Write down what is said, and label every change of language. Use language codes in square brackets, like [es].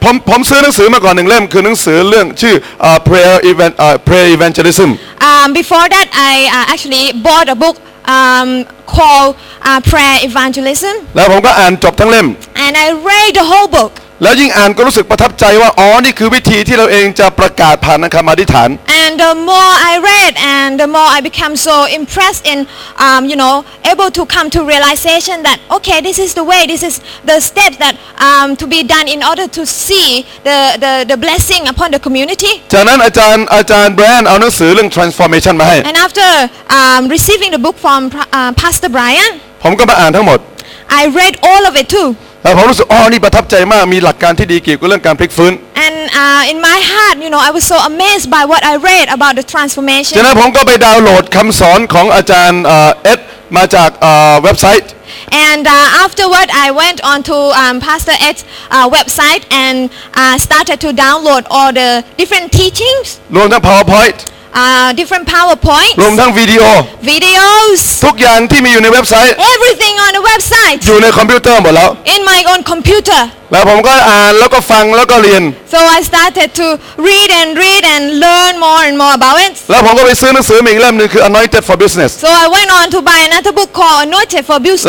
[th] ผมซื้อหนังสือมาก่อน1เล่มคือหนังสือเรื่องชื่อPrayer Event Prayer Evangelism [en] Before that I actually bought a bookcalled Prayer Evangelism [th] แล้วผมก็อ่านจบทั้งเล่ม [en] And I read the whole book [th] แล้วยิ่งอ่านก็รู้สึกประทับใจว่าอ๋อนี่คือวิธีที่เราเองจะประกาศผ่านคำอธิษฐาน [en] And the more I read and the more I became so impressed in you know able to come to realization that okay this is the way this is the steps that to be done in order to see the blessing upon the community [th] จากนั้นอาจารย์ Brian เอาหนังสือเรื่อง Transformation มาให้ [en] And after receiving the book from Pastor Brian [th] ผมก็มาอ่านทั้งหมด [en] I read all of it too [th] แล้วผมรู้สึกอ๋อนี่ประทับใจมากมีหลักการที่ดีเกี่ยวกับเรื่องการพลิกฟื้น [en] And in my heart you know I was so amazed by what I read about the transformation [th] ฉะนั้นผมก็ไปดาวน์โหลดคำสอนของอาจารย์เอ็ดมาจากเว็บไซต์ [en] And afterward I went on to Pastor Ed's website and started to download all the different teachings [th] รวมทั้ง PowerPoint [en] different powerpoints [th] รวมทั้งวิดีโ [en] อ videos [th] ทุกอย่างที่มีอยู่ในเว็บไซต์ [en] everything on the website [th] อยู่ในคอมพิวเตอร์หมดแล้ว [en] in my own computer [th] แล้วผมก็อ่านแล้วก็ฟังแล้วก็เรียน [en] so I started to read and learn more and more about it [th] แล้วผมก็ไปซื้อหนังสืออีกเล่มนึงคือ Anointed for Business [en] so I went on to buy another book called Anointed for Business